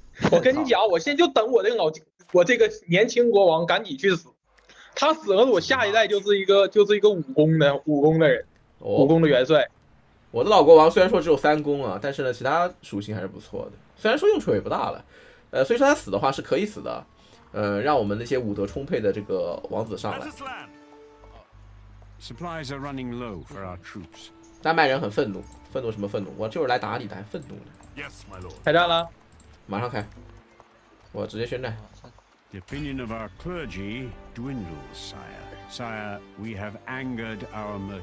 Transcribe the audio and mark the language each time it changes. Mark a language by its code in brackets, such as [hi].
[zh] 我跟你讲，我现在就等我这个老，我这个年轻国王赶紧去死，他死了我下一代就是一个武功的人、哦、武功的元帅。我的老国王虽然说只有3功啊，但是呢其他属性还是不错的，虽然说用处也不大了，所以说他死的话是可以死的，让我们那些武德充沛的这个王子上来。 [en] Supplies are running low for our troops. [zh] 丹麦人很愤怒，愤怒什么愤怒，我就是来打你的，还愤怒的。 [en] Yes, my lord. [zh] 开战了，马上开，我直接宣战。 [en] The opinion of our clergy dwindles, sire. Sire, we have angered our merchants.